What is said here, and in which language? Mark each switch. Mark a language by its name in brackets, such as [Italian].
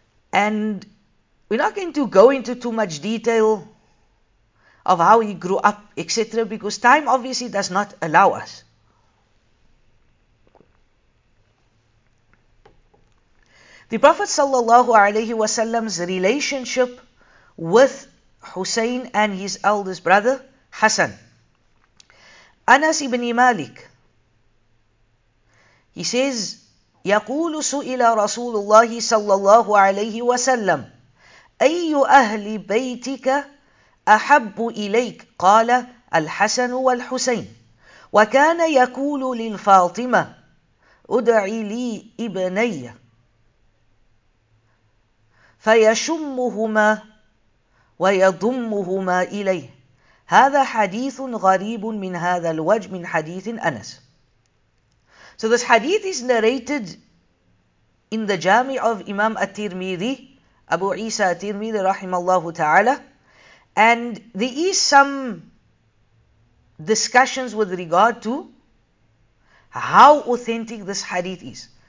[English] And we're not going to go into too much detail of how he grew up, etc., because time obviously does not allow us. The Prophet sallallahu alayhi wa sallam's relationship with Husayn and his eldest brother Hassan. Anas ibn Malik, he says, [Arabic] يقول سئل رسول الله صلى الله عليه وسلم أي أهل بيتك أحب إليك؟ قال الحسن والحسين. وكان يقول للفاطمة أدعي لي ابني فيشمهما ويضمهما إليه. هذا حديث غريب من هذا الوجه من حديث أنس. [English] So this hadith is narrated in the Jami' of Imam At-Tirmidhi, Abu Isa At-Tirmidhi rahimallahu ta'ala. And there is some discussions with regard to how authentic this hadith is.